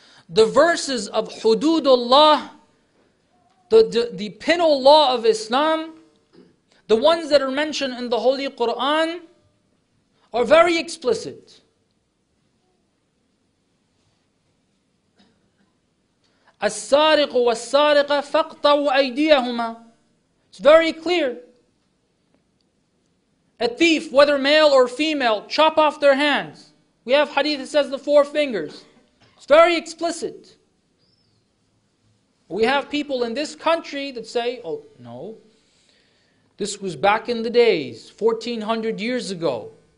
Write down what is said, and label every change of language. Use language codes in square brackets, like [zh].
[en] The verses of Hududullah, the penal law of Islam, the ones that are mentioned in the Holy Quran, are very explicit. [ar] السارق والسارقة فقطعوا أيديهما. [en] It's very clear. A thief, whether male or female, chop off their hands. We have hadith that says the four fingers. It's very explicit. We have people in this country that say, oh no, this was back in the days, 1400 years ago.